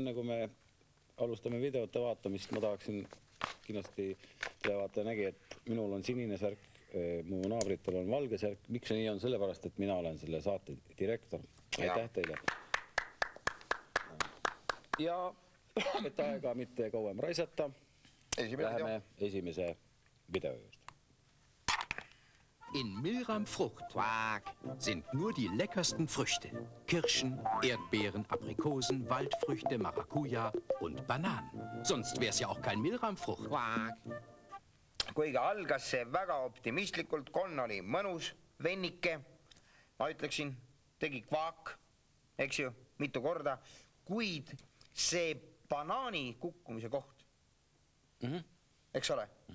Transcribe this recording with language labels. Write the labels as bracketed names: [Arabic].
[Estonian] Enne kui me alustame videote vaatamist, ma tahaksin kindlasti televaataja nägi, et minul on sinine särk, mu naabritel on valge särk. Miks see nii on? Sellepärast, et mina olen selle saate direktor. Aitäh teile! Ja et aega mitte kauem raisata, läheme esimese video juurde. [German] In Milram Fruchtwag sind nur die leckersten Früchte. Kirschen, Erdbeeren, Aprikosen, Waldfrüchte, Maracuja und Bananen. Sonst wär's ja auch kein Milram Fruchtwag. [Estonian] Kuigi algas see väga optimistlikult, konn oli mõnus, vennike. Ma ütleksin, tegi kvaak, eks ju, mitu korda. Kuid see banaani kukkumise koht, eks ole?